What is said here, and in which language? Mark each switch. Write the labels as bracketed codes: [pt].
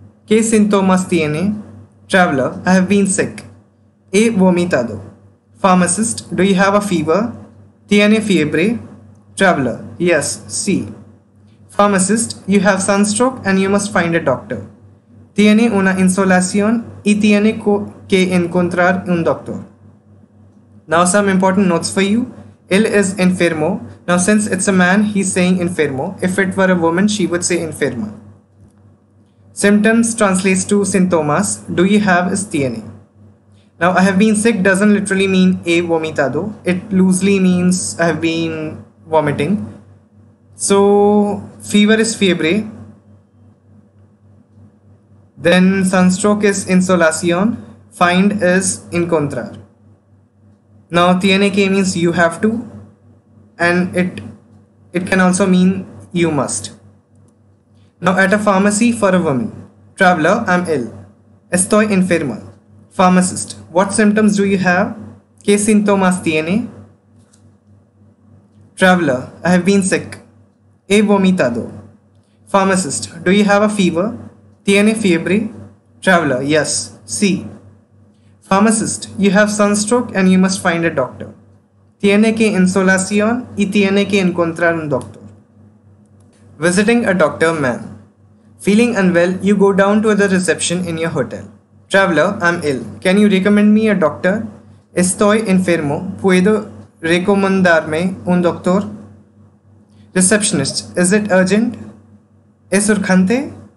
[es] ¿Qué síntomas tiene? [en] Traveler, I have been sick. [es] He vomitado. [en] Pharmacist, do you have a fever? [es] ¿Tiene fiebre? [en] Traveler, yes, sí. Pharmacist, you have sunstroke and you must find a doctor. [es] ¿Tiene una insolación y tiene que encontrar un doctor? [en] Now some important notes for you. Él is enfermo. Now since it's a man, he's saying enfermo. If it were a woman, she would say enferma. Symptoms translates to síntomas. Do you have is tiene. Now I have been sick doesn't literally mean [es] he vomitado. [en] It loosely means I have been vomiting. So fever is fiebre. Then sunstroke is insolación. Find is encontrar. Now [es] tiene que [en] means you have to. And it can also mean you must. Now at a pharmacy for a woman. Traveler, I'm ill. [es] Estoy enferma. [en] Pharmacist, what symptoms do you have? [es] ¿Qué síntomas tiene? [en] Traveler, I have been sick. [es] He vomitado. [en] Pharmacist, do you have a fever? [es] ¿Tiene fiebre? [en] Traveler, yes. Sí. Pharmacist, you have sunstroke and you must find a doctor. [es] Tiene que insolación y tiene que encontrar un doctor. [en] Visiting a doctor, man. Feeling unwell, you go down to the reception in your hotel. Traveler, I'm ill. Can you recommend me a doctor? [es] Estoy enfermo. ¿Puedo recomendarme un doctor? [en] Receptionist, is it urgent? [es] ¿Es urgente?